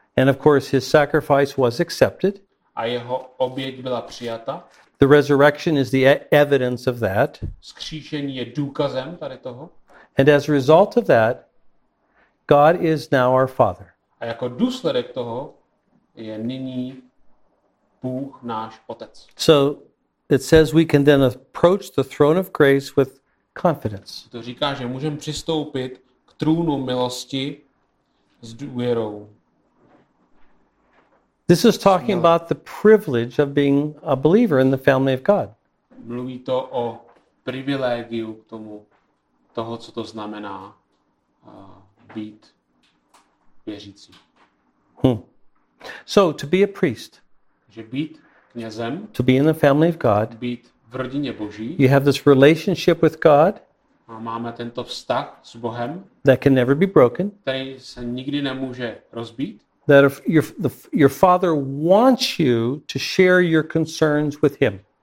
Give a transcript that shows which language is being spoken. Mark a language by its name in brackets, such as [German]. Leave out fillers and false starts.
[English] And of course his sacrifice was accepted. [Czech] A jeho oběť byla přijata. [English] The resurrection is the evidence of that. [Czech] Vzkříšení je důkazem tady toho. [English] And as a result of that, God is now our Father. [Czech] A jako důsledek toho je nyní Bůh náš otec. [English] So it says we can then approach the throne of grace with confidence. [Czech] To říká, že můžeme přistoupit k trůnu milosti s důvěrou. [English] This is talking about the privilege of being a believer in the family of God. [Czech] Mluví to o privilegiu k tomu toho, co to znamená být věřící. [English] So to be a priest, [Czech] že být knězem, [English] to be in the family of God, [Czech] být v rodině Boží, [English] you have this relationship with God, [Czech] a máme tento vztah s Bohem, [English] that can never be broken, [Czech] který se nikdy nemůže rozbít, [English] that if your father wants you to share your concerns with him.